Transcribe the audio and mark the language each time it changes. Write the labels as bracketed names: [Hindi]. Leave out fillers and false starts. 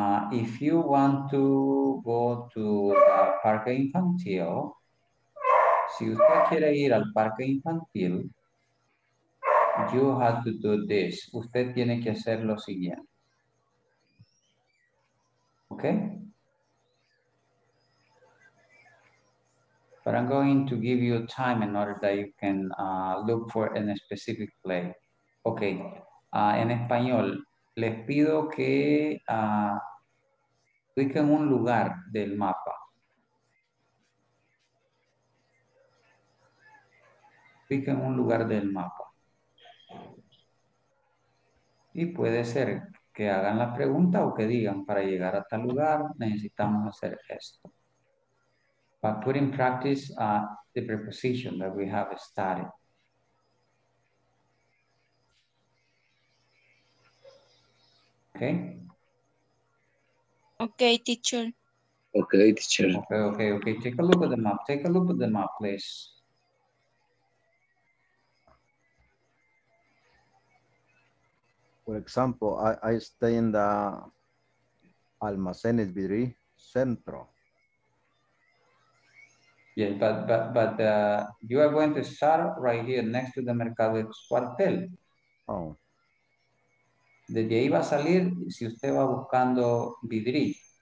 [English] If you want to go to Parque Infantil, [Spanish] si usted quiere ir al Parque Infantil, [English] you have to do this. [Spanish] Usted tiene que hacer lo siguiente. [English] Okay? But I'm going to give you time in order that you can look for a specific place. Okay. [Spanish] En español, les pido que ubiquen un lugar del mapa. Ubiquen un lugar del mapa. Y puede ser que hagan la pregunta o que digan, para llegar a tal lugar necesitamos hacer esto. [English] But put in practice the preposition that we have studied. Okay, teacher. Okay, teacher. Okay. Take a look at the map. Take a look at the map, please. For example, I stay in the Almacenes Vidri Centro. Yeah, but you are going to start right here next to the Mercado Cuartel. Oh. [Spanish] Desde ahí va a salir si usted va buscando Vidri.